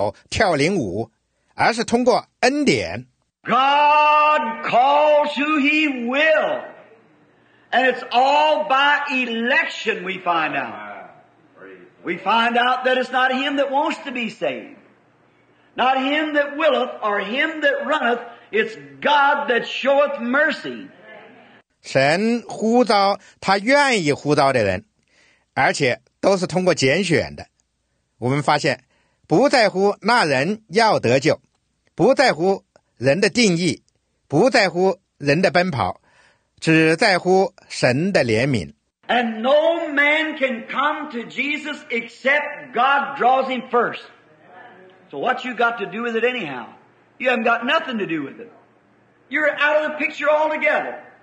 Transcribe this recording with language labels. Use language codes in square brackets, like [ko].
[zh] 不是通过任何教会，不是通过任何教派，也不是通过任何稀奇古怪的言行、讲方言、叫喊、颤抖、跳灵舞，而是通过恩典。 [en] God calls who He will, and it's all by election we find out. We find out that it's not Him that wants to be saved, not Him that willeth, or Him that runneth. It's God that showeth mercy. 神呼召他愿意呼召的人，而且都是通过拣选的。我们发现，不在乎那人要得救，不在乎人的定义，不在乎人的奔跑，只在乎神的怜悯。 And no man can come to Jesus except God draws him first. So what you got to do with it anyhow? You haven't got nothing to do with it. You're out of the picture altogether.